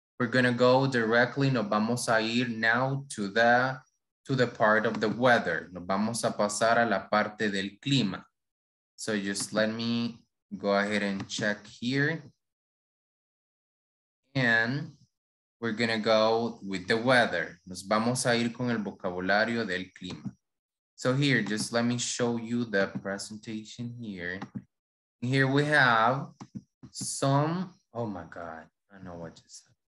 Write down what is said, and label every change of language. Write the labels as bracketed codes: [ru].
[en] We're going to go directly, [es] nos vamos a ir [en] now to the part of the weather. [es] Nos vamos a pasar a la parte del clima. [en] So just let me go ahead and check here. And we're going to go with the weather. [es] Nos vamos a ir con el vocabulario del clima. [en] So here, just let me show you the presentation here. Here we have some, oh my God, I don't know what just happened.